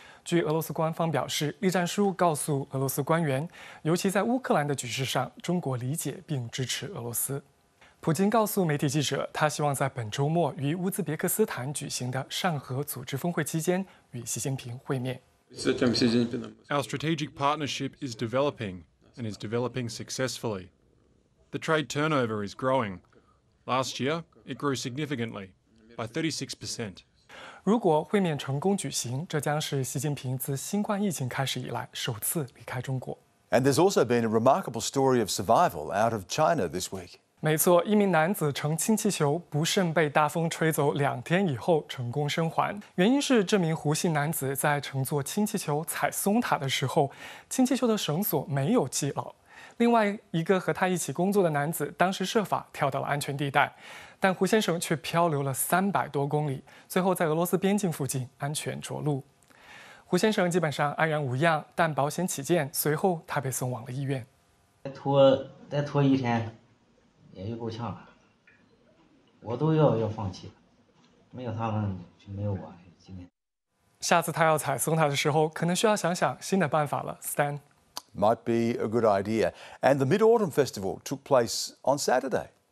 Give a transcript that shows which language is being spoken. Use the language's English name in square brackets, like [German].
[Chinese] 据俄罗斯官方表示, 栗战书告诉俄罗斯官员, 尤其在乌克兰的局势上, 中国理解并支持俄罗斯。普京告诉媒体记者, 他希望在本周末与乌兹别克斯坦举行的上合组织峰会期间与习近平会面。 [English] Our strategic partnership is developing and is developing successfully. The trade turnover is growing. Last year, it grew significantly, by 36%. [Chinese] 如果会面成功举行, 这将是习近平自新冠疫情开始以来首次离开中国。 [English] And there's also been a remarkable story of survival out of China this week. [Chinese] 没错, 一名男子乘氢气球, 不慎被大风吹走2天以后成功生还。原因是这名胡姓男子在乘坐氢气球踩松塔的时候, 氢气球的绳索没有系牢。另外一个和他一起工作的男子, 当时设法跳到了安全地带, 但胡先生却漂流了300多公里, 最后在俄罗斯边境附近安全着陆。胡先生基本上安然无恙, 但保险起见, 随后他被送往了医院。再拖一天, 也就够呛了, 我都要放弃了, 没有他们就没有我今天。下次他要踩松塔的时候, 可能需要想想新的办法了, Stan。 [English] Might be a good idea. And the Mid-Autumn Festival took place on Saturday.